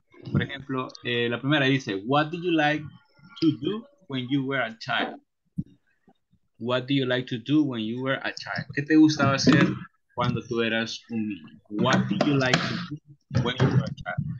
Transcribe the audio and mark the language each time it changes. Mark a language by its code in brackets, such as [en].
[es] Por ejemplo, la primera dice, [en] what did you like to do when you were a child? What do you like to do when you were a child? [es] ¿Qué te gustaba hacer cuando tú eras un niño? [en] What do you like to do when you were a child?